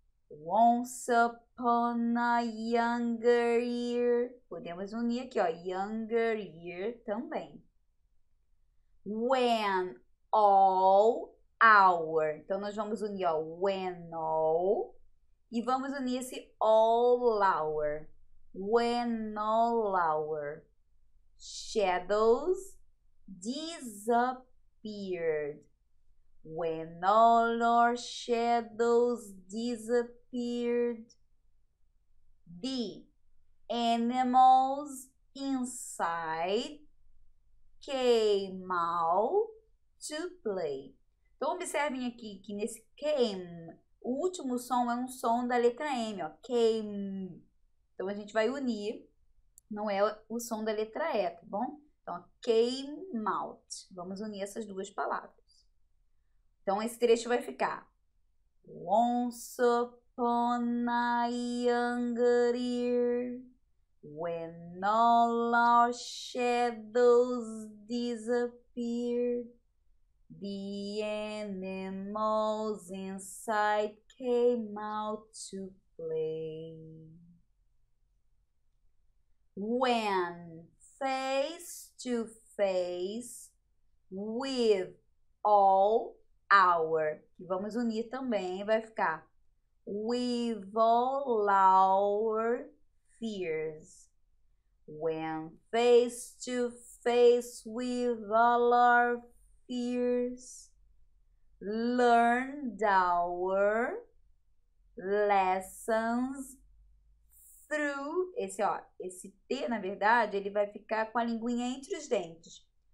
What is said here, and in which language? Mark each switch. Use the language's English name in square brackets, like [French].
[English] Once upon a younger ear. [Portuguese] Podemos unir aqui, ó, younger ear também. [English] When all. Our. [Portuguese] Então, nós vamos unir, ó, when all, e vamos unir esse all our. [English] When all our shadows disappeared. When all our shadows disappeared. The animals inside came out to play. [Portuguese] Então, observem aqui que nesse came, o último som é um som da letra M, ó. Came. Então, a gente vai unir, não é o som da letra E, tá bom? Então, ó, came out. Vamos unir essas duas palavras. Então, esse trecho vai ficar. [English] Once upon a younger year, when all our shadows disappeared. The animals inside came out to play. When face to face with all our, [Portuguese] vamos unir também, vai ficar [English] with all our fears. When face to face with all our fears, learned our lessons through. [Portuguese] Esse, ó, esse T, na verdade, ele vai ficar com a linguinha entre os dentes.